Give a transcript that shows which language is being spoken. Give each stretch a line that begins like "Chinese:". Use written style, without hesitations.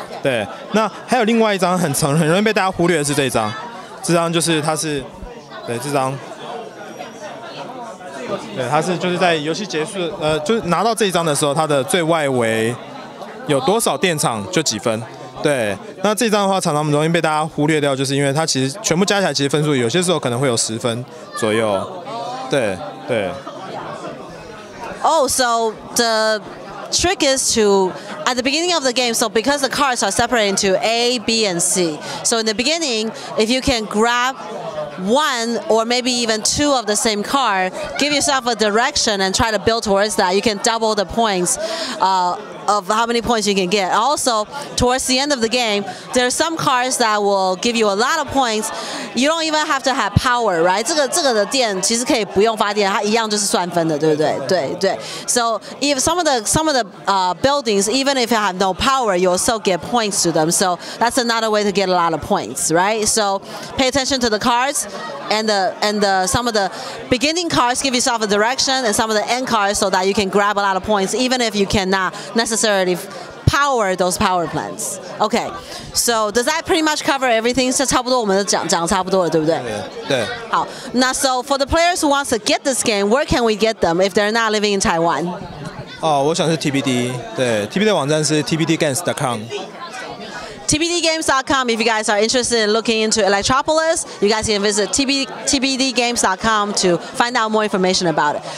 Chinese: 对，那还有另外一张很容易被大家忽略的是这张，这张就是它是，对，这张，对，它是就是在游戏结束，就是拿到这一张的时候，它的最外围有多少电场就几分。对，那这张的话常常容易被大家忽略掉，就是因为它其实全部加起来其实分数有些时候可能会有十分左右。对对。
English: Oh, so the trick is to at the beginning of the game. So because the cards are separated into A, B, and C. So in the beginning, if you can grab one or maybe even two of the same card, give yourself a direction and try to build towards that. You can double the points of how many points you can get. Also, towards the end of the game, there are some cards that will give you a lot of points. You don't even have to have power, right?
Chinese: 这个的电其实可以不用发电，它一样就是算分的，对不对？对对。
English: So if some of the buildings, even if you have no power, you'll still get points to them. So that's another way to get a lot of points, right? So pay attention to the cards. And some of the beginning cards give yourself a direction, and some of the end cards so that you can grab a lot of points, even if you cannot necessarily power those power plants. Okay, so does that pretty much cover everything?
Chinese: 是差不多我们都讲差不多了，对不对？对。
English: 好，那 so for the players who wants to get this game, where can we get them if they're not living in Taiwan?
Chinese: 哦，我想是 TBD， 对 ，TBD 的网站是 tbdgames.com。
English: TBDgames.com, if you guys are interested in looking into Electropolis, you guys can visit TBDgames.com to find out more information about it.